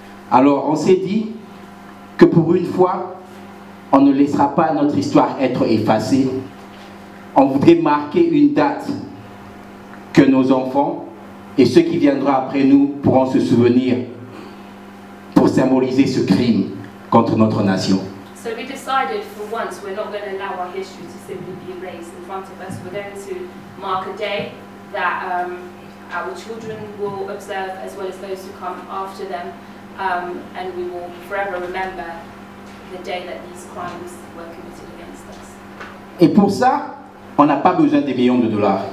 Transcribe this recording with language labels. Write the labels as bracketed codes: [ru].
[fr] Alors, on s'est dit que pour une fois, on ne laissera pas notre histoire être effacée. On voudrait marquer une date que nos enfants et ceux qui viendront après nous pourront se souvenir pour symboliser ce crime contre notre nation. [en] So we decided for once we're not going to allow our history to simply be erased in front of us. We're going to mark a day that our children will observe as well as those who come after them. And we will forever remember the day that these crimes were committed against us. [fr] Et pour ça, on n'a pas besoin des millions de dollars.